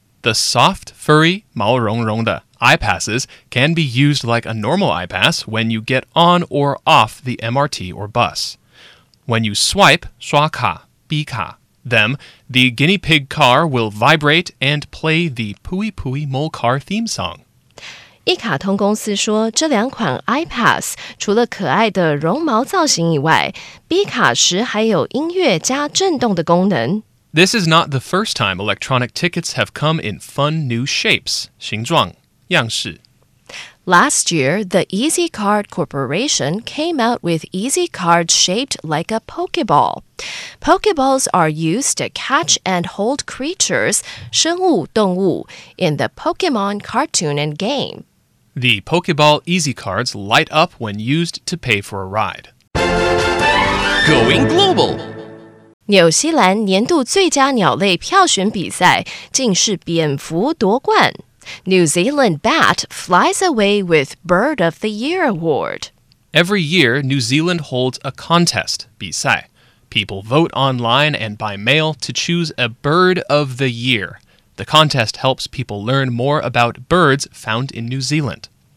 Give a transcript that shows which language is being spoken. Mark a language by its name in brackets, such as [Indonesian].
[English] The soft, furry, [Chinese] 毛茸茸的 [English] iPasses can be used like a normal iPass when you get on or off the MRT or bus. When you swipe, [Chinese] 刷卡, 逼卡, [English] them, the guinea pig car will vibrate and play the Pui Pui Molcar theme song. [Chinese] 一卡通公司说，这两款 iPass 除了可爱的绒毛造型以外，逼卡时还有音乐加震动的功能。 [English] This is not the first time electronic tickets have come in fun new shapes, [Chinese] 形状、样式。 [English] Last year, the EasyCard Corporation came out with EasyCards shaped like a Pokeball. Pokeballs are used to catch and hold creatures, [Chinese] 生物、动物, [English] in the Pokemon cartoon and game. The Pokeball Easy Cards light up when used to pay for a ride. Going global! [Chinese] 纽西兰年度最佳鸟类票选比赛竟是蝙蝠夺冠。 [English] New Zealand bat flies away with Bird of the Year award. Every year, New Zealand holds a contest, [Chinese] 比赛. [English] People vote online and by mail to choose a Bird of the Year. The contest helps people learn more about birds found in New Zealand.